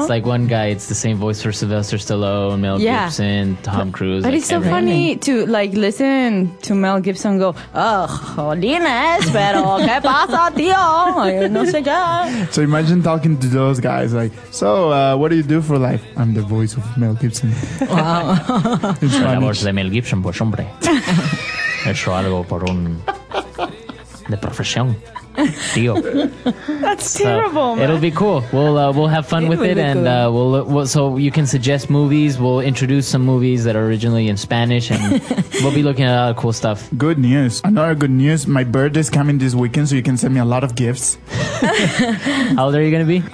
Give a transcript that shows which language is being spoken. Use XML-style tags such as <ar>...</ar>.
<en>It's like one guy. It's the same voice for Sylvester Stallone, Mel Gibson, Tom Cruise. But it's so funny to like listen to Mel Gibson go, "Oh,</en> <es>jolines, pero qué pasa, tío? No sé qué."</es> <en>So imagine talking to those guys. Like, so, what do you do for life? I'm the voice of Mel Gibson. Wow. It's funny.</en> <es>La voz de Mel Gibson, pues hombre. Hecho algo por un de profesión, tío.</es> <en>That's terrible, man. It'll be cool. We'll have fun with it, and we'll so you can suggest movies. We'll introduce some movies that are originally in Spanish, and we'll be looking at a lot of cool stuff. Good news. Another good news. My birthday is coming this weekend, so you can send me a lot of gifts. How old are you going to be?</en>